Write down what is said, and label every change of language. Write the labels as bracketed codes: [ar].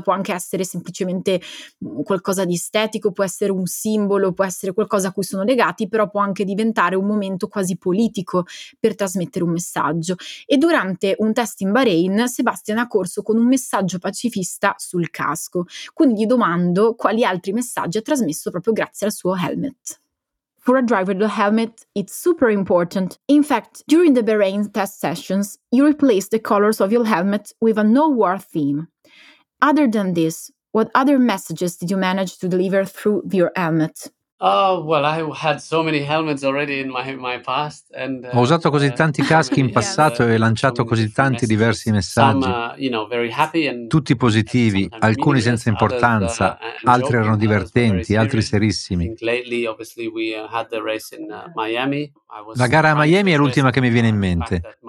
[it] Può anche essere semplicemente qualcosa di estetico, può essere un simbolo, può essere qualcosa a cui sono legati, però può anche diventare un momento quasi politico per trasmettere un messaggio. E durante un test in Bahrain, Sebastian ha corso con un messaggio pacifista sul casco. Quindi gli domando quali altri messaggi ha trasmesso proprio grazie al suo helmet. [en] For a driver, the helmet is super important. In fact, during the Bahrain test sessions, you replaced the colors of your helmet with a no-war theme. Other than this, what other messages did you manage to deliver through your helmet? I had so many helmets already in my past. [it] Ho usato così tanti caschi in passato e lanciato così tanti diversi messaggi. Tutti positivi, alcuni senza importanza, altri erano divertenti, altri serissimi. La gara a Miami è l'ultima che mi viene in mente.